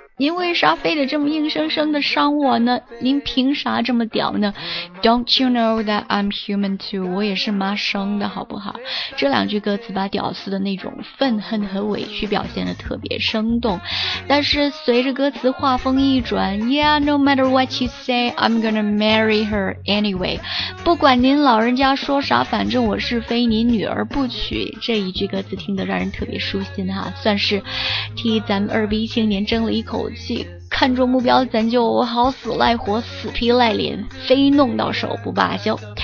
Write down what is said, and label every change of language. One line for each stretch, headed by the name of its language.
Chinese: 您为啥非得这么硬生生的伤我呢？您凭啥这么屌呢？
English: Don't you know that I'm human too?
Chinese: 我也是妈生的好不好？这两句歌词把屌丝的那种愤恨和委屈表现得特别生动，但是随着歌词画风一转，
English: Yeah, no matter what you say, I'm gonna marry her anyway.
Chinese: 不管您老人家说啥，反正我是非您女儿不娶，这一句歌词听得让人特别舒心哈，算是替咱们二逼青年争了一口气，看中目标咱就好死赖活死皮赖脸，非弄到手不罢休。